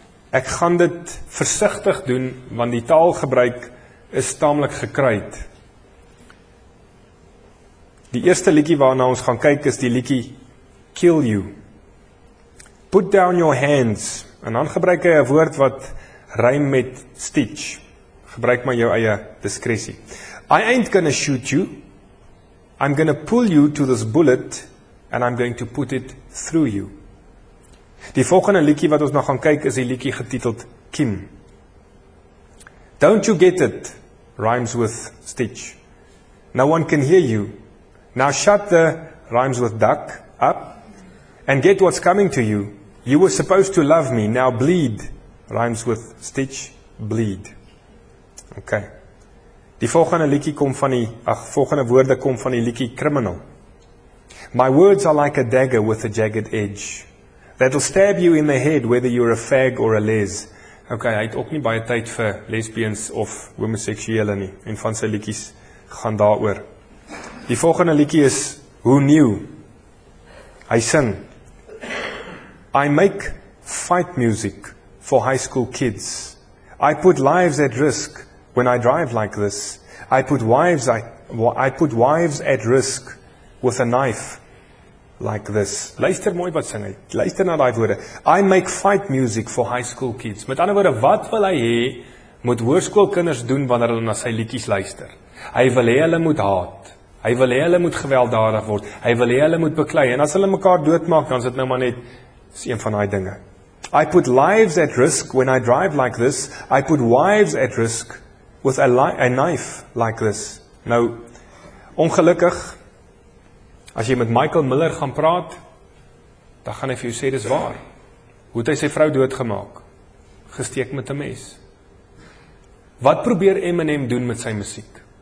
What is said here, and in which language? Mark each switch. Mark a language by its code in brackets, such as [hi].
[af] Ek gaan dit versigtig doen want die taalgebruik is taamlik gekruid. Die eerste liedjie waarna ons gaan kyk is die liedjie Kill You. [en] Put down your hands. [af] En dan gebruik hy 'n woord wat rym met stitch. Gebruik maar jou eie diskresie. [en] I ain't gonna shoot you. I'm gonna pull you to this bullet and I'm going to put it through you. [af] Die volgende liedjie wat ons nou gaan kyk is die liedjie getiteld Kim. [en] Don't you get it? Rhymes with stitch. No one can hear you. Now shut the rhymes with duck up and get what's coming to you. You were supposed to love me. Now bleed. Rhymes with stitch, bleed. Ok. [af] Die volgende liedjie kom van die, volgende woorde kom van die liedjie Criminal. [en] My words are like a dagger with a jagged edge. That'll stab you in the head, whether you're a fag or a les. [af] Ok, hy het ook nie baie tyd vir lesbians of homoseksuele nie. En van sy liedjies gaan daar oor. Die volgende liedjie is Who Knew? Hy sing. [en] I make fight music for high school kids. I put lives at risk when I drive like this. I put wives at risk with a knife like this. [af] Luister mooi wat sing hy. Luister na daai woorde. [en] I make fight music for high school kids. [af] Met ander woorde, wat wil hy hê moet hoërskoolkinders doen wanneer hulle na sy liedjies luister? Hy wil hê hulle moet haat. Hy wil hê hulle moet gewelddadig word. Hy wil hê hulle moet beklei en as hulle mekaar doodmaak, dan is dit nou maar net een van daai dinge. [en] I put lives at risk when I drive like this. I put wives at risk with a knife like this. [af] Nou, ongelukkig, as jy met Michael Miller gaan praat, dan gaan hy vir jou sê, dis waar. Hoe het hy sy vrou doodgemaak? Gesteek met 'n mes. Wat probeer Eminem doen met sy musiek?